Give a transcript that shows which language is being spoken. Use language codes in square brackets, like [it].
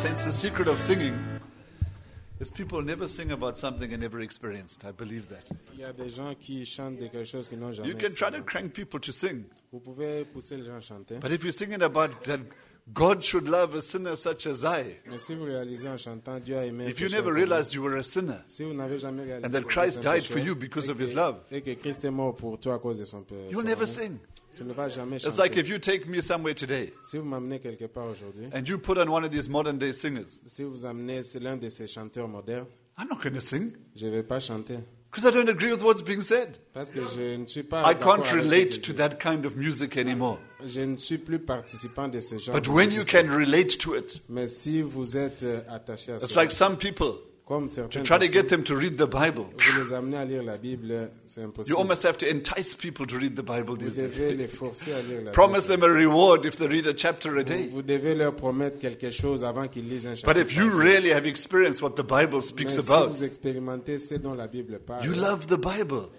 [en] Secret of singing is people never sing about something they never experienced. I believe that. [fr] Il y a des gens qui chantent de quelque chose qu'ils n'ont jamais. [en] You can try to crank people to sing. [fr] Vous pouvez pousser les gens à chanter. [en] But if you're singing about that God should love a sinner such as I. [fr] Mais si vous réalisez en chantant Dieu a aimé. [en] If you never realized you were a sinner. [fr] Si vous n'avez jamais réalisé. [en] And that Christ died for you because of His love. [fr] Et que Christ est mort pour toi à cause de son père. [en] You'll never sing. It's like if you take me somewhere today [fr] si vous m'amenez quelque part aujourd'hui, [en] and you put on one of these modern day singers, [fr] si vous amenez l'un de ces chanteurs modernes, [en] I'm not going to sing. [fr] Je vais pas chanter. [en] Because I don't agree with what's being said. [fr] Parce que je ne suis pas [en] I can't relate to that kind of music anymore. [fr] Je ne suis plus participant de ce genre [en] but when you can relate to it, [fr] mais si vous êtes attaché à [en] it's like some people. To try to get them to read the Bible. You almost have to entice people to read the Bible these days. Promise them a reward if they read a chapter a day. But if you really have experienced what the Bible speaks about, you love the Bible.